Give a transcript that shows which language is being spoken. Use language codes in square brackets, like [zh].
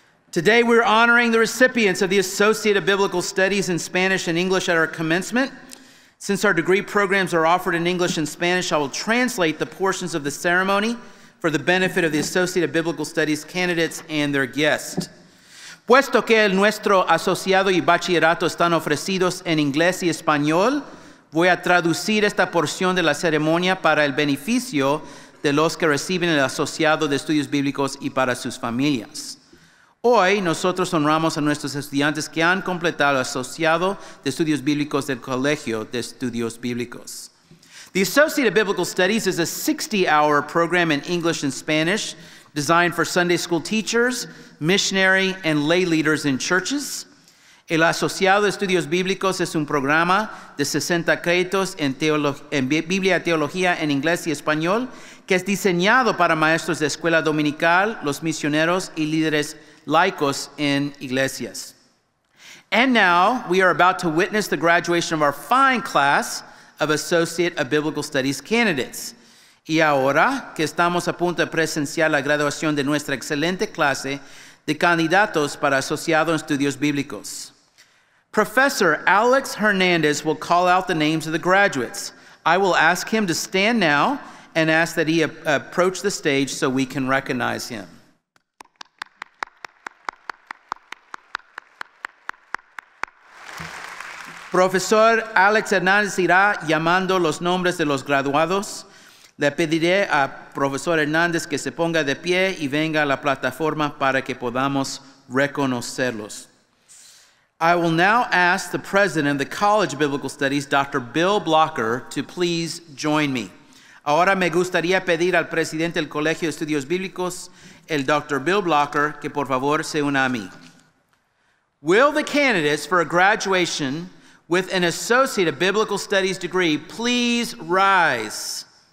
[en] Today, we're honoring the recipients of the Associate of Biblical Studies in Spanish and English at our commencement. Since our degree programs are offered in English and Spanish, I will translate the portions of the ceremony for the benefit of the Associate of Biblical Studies candidates and their guests. [es] Puesto que el nuestro asociado y bachillerato están ofrecidos en inglés y español, voy a traducir esta porción de la ceremonia para el beneficio de los que reciben el asociado de estudios bíblicos y para sus familias. Hoy, nosotros honramos a nuestros estudiantes que han completado el asociado de estudios bíblicos del Colegio de Estudios Bíblicos. [en] The Associate of Biblical Studies is a 60-hour program in English and Spanish designed for Sunday school teachers, missionary, and lay leaders in churches. [es] El Asociado de Estudios Bíblicos es un programa de 60 créditos en Biblia, Teología, en inglés y español, que es diseñado para maestros de escuela dominical, los misioneros y líderes laicos en iglesias. [en] And now, we are about to witness the graduation of our fine class of Associate of Biblical Studies candidates. [es] Y ahora, que estamos a punto de presenciar la graduación de nuestra excelente clase de candidatos para Asociado en Estudios Bíblicos. [en] Professor Alex Hernandez will call out the names of the graduates. I will ask him to stand now and ask that he approach the stage so we can recognize him. [es] Profesor Alex Hernandez irá llamando los nombres de los graduados. Le pediré a Profesor Hernandez que se ponga de pie y venga a la plataforma para que podamos reconocerlos. [en] I will now ask the president of the College of Biblical Studies, Dr. Bill Blocker, to please join me. [es] Ahora me gustaría pedir al presidente del Colegio de Estudios Bíblicos, el Dr. Bill Blocker, que por favor se una a mí. [en] Will the candidates for a graduation with an Associate of Biblical Studies degree please rise?